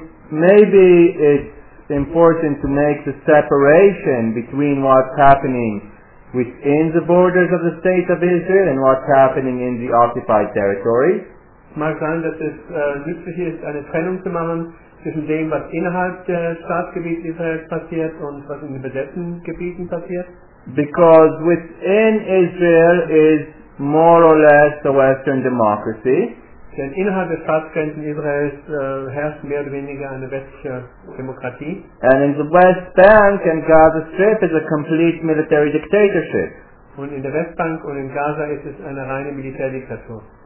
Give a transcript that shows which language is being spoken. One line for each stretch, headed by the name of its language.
English: Maybe it's important to make the separation between what's happening within the borders of the state of Israel and what's happening in the occupied territory.
German: Es mag sein, dass es nützlich ist, eine Trennung zu machen zwischen dem, was innerhalb des Staatsgebiets Israels passiert und was in den besetzten Gebieten passiert?
English: Because within Israel is more or less the Western democracy.
German: Denn innerhalb der Staatsgrenzen Israels herrscht mehr oder weniger eine westliche Demokratie.
English: And in the West Bank and Gaza Strip is a complete military dictatorship.
German: Und in der Westbank und in Gaza ist es eine reine Militärdiktatur.